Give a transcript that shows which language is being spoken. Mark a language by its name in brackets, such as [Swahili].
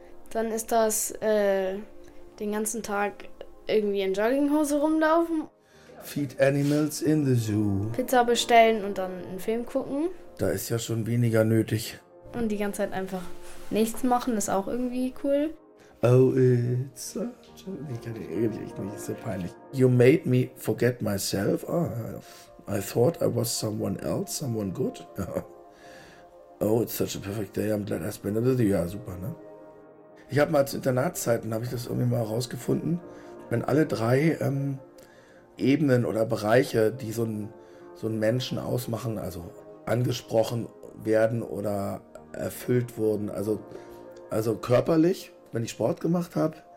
[German] Dann ist das den ganzen Tag irgendwie in Jogginghose rumlaufen. [English] Feed animals in the zoo. [German] Pizza bestellen und dann einen Film gucken. Da ist ja schon weniger nötig. Und die ganze Zeit einfach nichts machen, ist auch irgendwie cool. [English] Oh, it's a... [German] Ich kann eigentlich echt nicht, ist so peinlich. [English] You made me forget myself. Oh, I thought I was someone else, someone good. Oh, it's such a perfect day. I'm glad I spent it with you. [German] Ja, super, ne? Ich habe mal zu Internatszeiten, habe ich das irgendwie mal rausgefunden, wenn alle drei Ebenen oder Bereiche, die so einen Menschen ausmachen, also angesprochen werden oder erfüllt wurden, also körperlich, wenn ich Sport gemacht habe,